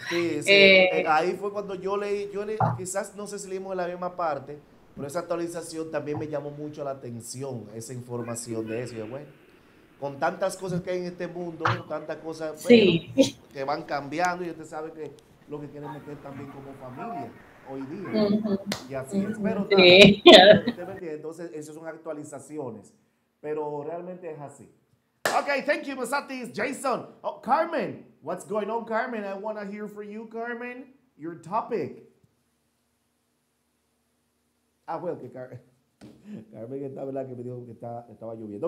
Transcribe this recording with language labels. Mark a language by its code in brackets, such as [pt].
[es] Sí, ahí fue cuando yo leí, quizás no sé si leímos en la misma parte, pero esa actualización también me llamó mucho la atención, esa información de eso, bueno, con tantas cosas que hay en este mundo, con tantas cosas sí. Bueno, que van cambiando y usted sabe que lo que quieren meter también como familia. Hoy día, ¿no? Uh-huh. Y así es, pero sí. Entonces, esas son actualizaciones, pero realmente es así. [en] Okay, thank you, Masatis. Jason, oh, Carmen, what's going on, Carmen? I want to hear from you, Carmen, your topic. Ah, well, [es] que Carmen está, verdad, que me dijo que estaba lloviendo.